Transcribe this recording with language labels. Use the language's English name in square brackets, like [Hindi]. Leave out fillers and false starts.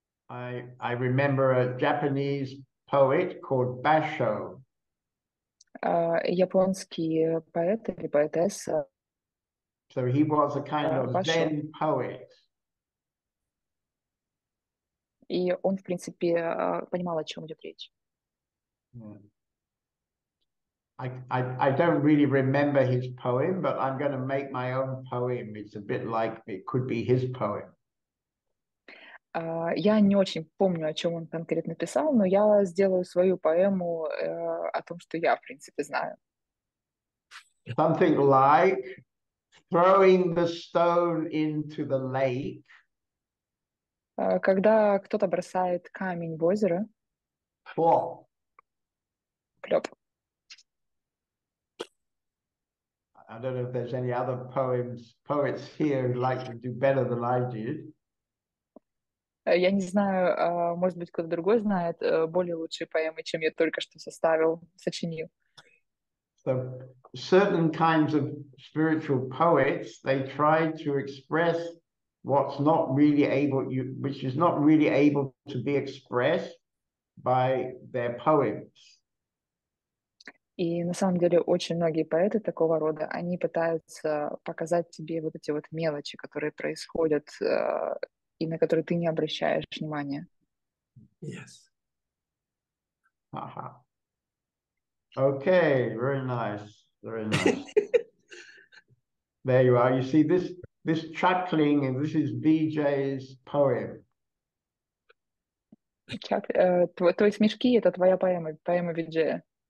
[English] I remember a Japanese poet called Basho. [Russian] Японский поэт или поэтесса. [English] So he was a kind of Zen poet. [Russian] И он, в принципе, понимал, о чем идет речь. [English] I don't really remember his poem, but I'm going to make my own poem. It's a bit like it could be his poem. [Russian] Я не очень помню, о чем он конкретно писал, но я сделаю свою поэму о том, что я, в принципе, знаю. [English] Something like throwing the stone into the lake. [Russian] Когда кто-то бросает камень в озеро. Plop. Plop. [English] I don't know if there's any other poets here who like to do better than I did. [Russian] Я не знаю, может быть, кто-то другой знает более лучшие поэмы, чем я только что составил, сочинил. [English] So, certain kinds of spiritual poets, they try to express what's not really able, which is not really able to be expressed by their poems. [Russian] И на самом деле очень многие поэты такого рода, они пытаются показать тебе вот эти вот мелочи, которые происходят и на которые ты не обращаешь внимания. [English] Yes. Aha. Okay, very nice, very nice. There you are. You see this chuckling, and this is BJ's poem. [Russian] Твои смешки — это твоя поэма, поэма Виджея.